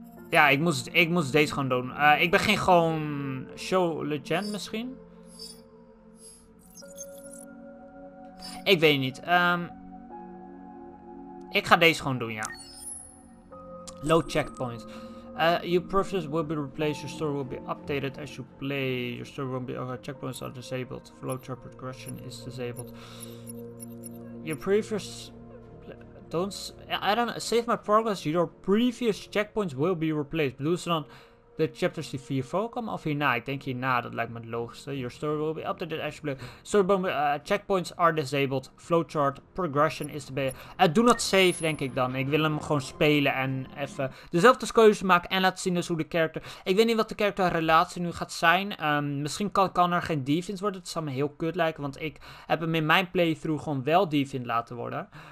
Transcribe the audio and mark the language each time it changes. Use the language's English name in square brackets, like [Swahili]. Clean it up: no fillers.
[Dutch] Ja, ik moest deze gewoon doen. Ik begin gewoon Show Legend misschien. Ik weet niet. Ik ga deze gewoon doen, ja. [English] Low checkpoint. Your profile will be replaced, your story will be updated as you play, your story will be, checkpoints are disabled, flowchart progression is disabled. Your previous, save my progress, your previous checkpoints will be replaced. [Dutch] Bedoel ze dan de chapters die vier voorkomen of hierna? Ik denk hierna, dat lijkt me het logischste. [English] Your story will be updated as you play, story will be, checkpoints are disabled, flowchart progression is to be. [Dutch] Doe dat safe, denk ik dan. Ik wil hem gewoon spelen en even dezelfde keuze maken. En laten zien dus hoe de character. Ik weet niet wat de character relatie nu gaat zijn. Misschien kan er geen deviant worden. Het zou me heel kut lijken. Want ik heb hem in mijn playthrough gewoon wel deviant laten worden.